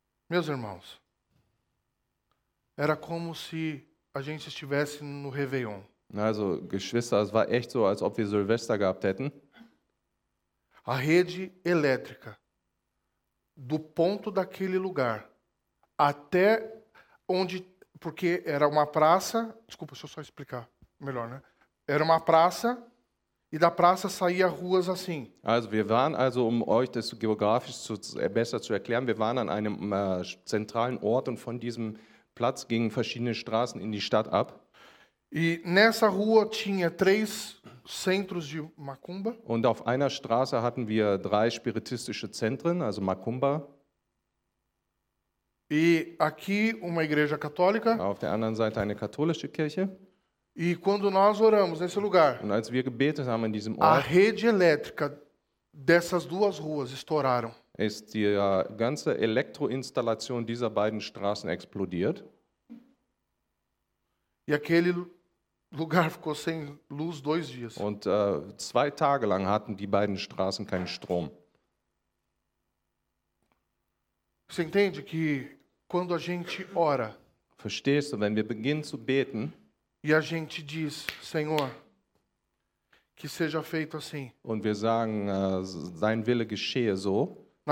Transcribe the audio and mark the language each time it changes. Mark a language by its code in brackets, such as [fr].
[pt] Meus irmãos, era como se a gente estivesse no Réveillon. [de] Also Geschwister, es war echt so, als ob wir Silvester gehabt hätten. [pt] A rede elétrica do ponto daquele lugar até onde porque era uma praça, desculpa, deixa eu só explicar melhor, né? Era uma praça e da praça saía ruas assim. [de] Also wir waren also euch das geografisch besser zu erklären, wir waren an einem zentralen Ort und von diesem Platz gingen verschiedene Straßen in die Stadt ab. [pt] E nessa rua tinha três centros de macumba. [de] Und auf einer Straße hatten wir drei spiritistische Zentren, also Macumba. [pt] E aqui uma igreja católica. [de] Auf der anderen Seite eine katholische Kirche. [pt] E quando nós oramos nesse lugar. [de] Und als wir gebetet haben in diesem Ort. [pt] A rede elétrica dessas duas ruas estouraram. [de] Ist die ganze Elektroinstallation dieser beiden Straßen explodiert. [pt] E aquele lugar ficou sem luz dois dias. [de] Und zwei Tage lang hatten die beiden Straßen keinen Strom. [pt] Você entende que quando a gente ora, [de] verstehst du, wenn wir beginnen zu beten, [pt] e a gente diz, Senhor, que seja feito assim, [de] und wir sagen, dein Wille geschehe so,